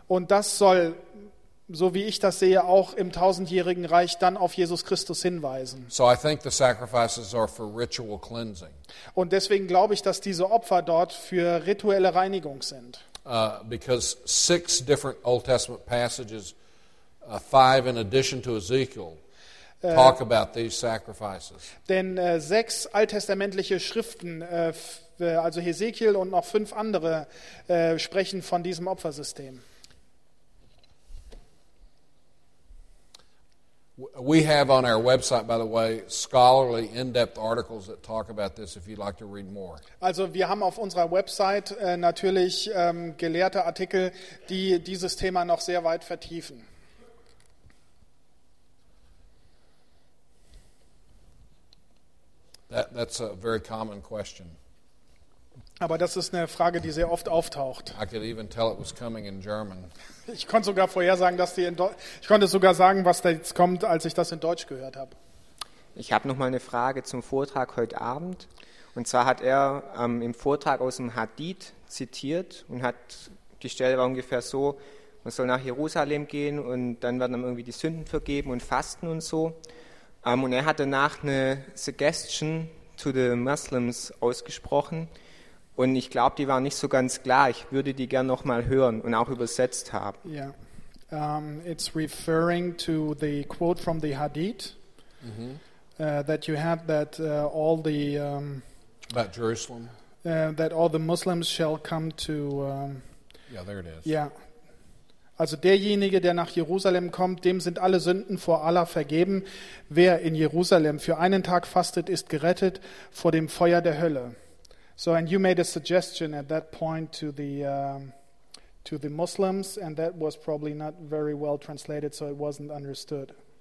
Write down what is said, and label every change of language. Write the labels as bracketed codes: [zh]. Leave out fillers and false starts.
[de] Und das soll, so wie ich das sehe, auch im tausendjährigen Reich dann auf Jesus Christus hinweisen. [en] So I think the sacrifices are for ritual cleansing. [de] Und deswegen glaube ich, dass diese Opfer dort für rituelle Reinigung sind. [en] Because six different Old Testament passages, five in addition to Ezekiel, talk about these sacrifices. [de] Denn sechs alttestamentliche Schriften, also Hesekiel und noch fünf andere, sprechen von diesem Opfersystem. [en] We have on our website, by the way, scholarly in-depth articles that talk about this if you'd like to read more. [de] Also wir haben auf unserer Website natürlich gelehrte Artikel, die dieses Thema noch sehr weit vertiefen. [en] That's a very common question. [de] Aber das ist eine Frage, die sehr oft auftaucht. [en] I could even tell it was coming in German. [de] Ich konnte sogar vorhersagen, dass die in Deutsch, ich konnte sogar sagen, was da jetzt kommt, als ich das in Deutsch gehört habe. Ich habe noch mal eine Frage zum Vortrag heute Abend. Und zwar hat er im Vortrag aus dem Hadith zitiert und hat die Stelle war ungefähr so, man soll nach Jerusalem gehen und dann werden einem irgendwie die Sünden vergeben und fasten und so. Und er hat danach eine [en] Suggestion to the Muslims [de] ausgesprochen. Und ich glaube, die war nicht so ganz klar. Ich würde die gerne nochmal hören und auch übersetzt haben. Ja, yeah. [en] It's referring to the quote from the Hadith. Mm-hmm. That you had that all the about Jerusalem that all the Muslims shall come to yeah there it is [de] yeah also derjenige der nach Jerusalem kommt dem sind alle Sünden vor Allah vergeben wer in Jerusalem für einen Tag fastet ist gerettet vor dem Feuer der Hölle so [en] and you made a suggestion at that point to the Muslims and that was probably not very well translated so it wasn't understood.